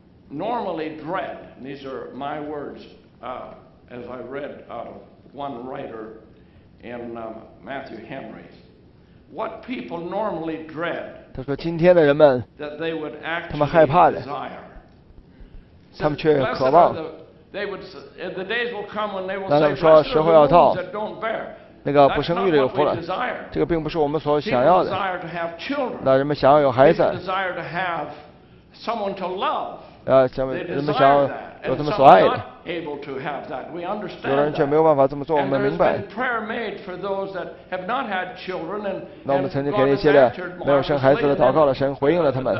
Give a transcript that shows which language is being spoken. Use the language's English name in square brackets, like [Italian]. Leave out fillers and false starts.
[English] normally dread, and these are my words as I read out of one writer in Matthew Henry, what people normally dread, [Chinese] 他说今天的人们, [English] that they would actually desire. [Chinese] 他们却渴望。 [English] The days will come when they will say, blessed are the wombs that don't bear. [Chinese] 那个不生育的有福了。这个并不是我们所想要的。 [English] People desire to have children. [Chinese] 那人们想要有孩子。 [English] People desire to have someone to love. [Chinese] 人们想要有他们所爱的。 [English] Able to have that. We understand that. [Chinese] 有人却没有办法这么做，我们明白。 [English] And there's been prayer made for those that have not had children. [Chinese] 那我们曾经给那些的没有生孩子的祷告了，神回应了他们。